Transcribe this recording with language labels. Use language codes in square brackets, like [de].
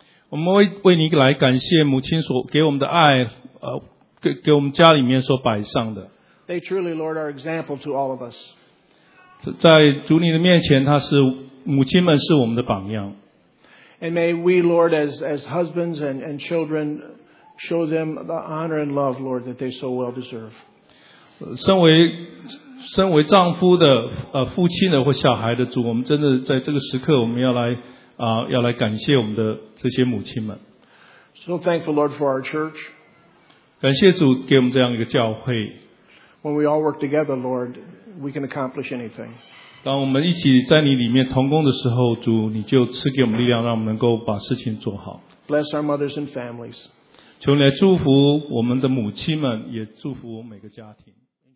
[zh] 我们为你来感谢母亲所给我们的爱，给我们家里面所摆上的。 [en] They truly, Lord, are example to all of us. [zh] 在主你的面前，他是母亲们是我们的榜样。 [en] And may we, Lord, as husbands and children. Show them the honor and love, Lord, that they so well deserve. [zh] 身为丈夫的、父亲的或小孩的主，我们真的在这个时刻，我们要来、要来感谢我们的这些母亲们。 [en] So thankful, Lord, for our church. [zh] 感谢主给我们这样一个教会。 [en] When we all work together, Lord, we can accomplish anything. [zh] 当我们一起在你里面同工的时候，主，你就赐给我们力量，让我们能够把事情做好。 [en] Bless our mothers and families. [zh] 求你来祝福我们的母亲们，也祝福每个家庭。